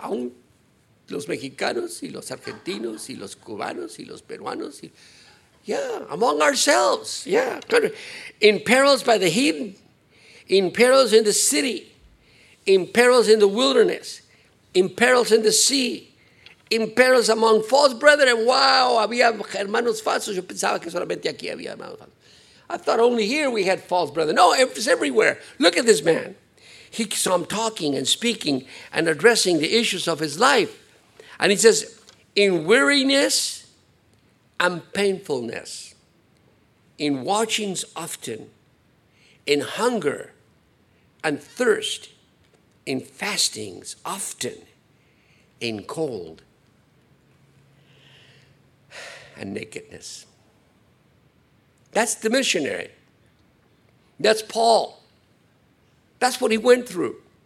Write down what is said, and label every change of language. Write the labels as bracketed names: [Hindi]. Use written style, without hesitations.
[Spanish] Aun los mexicanos y los argentinos y los cubanos y los peruanos. [English] Y, yeah. Among ourselves. Yeah. In perils by the heathen. In perils in the city. In perils in the wilderness. In perils in the sea. In perils among false brethren. [Spanish] Wow, había hermanos falsos. Yo pensaba que solamente aquí había hermanos falsos. [English] I thought only here we had false brethren. No, it's everywhere. Look at this man. He saw him talking and speaking and addressing the issues of his life. And he says, in weariness and painfulness, in watchings often, in hunger and thirst, in fastings often, in cold and nakedness. That's the missionary. That's Paul. That's what he went through.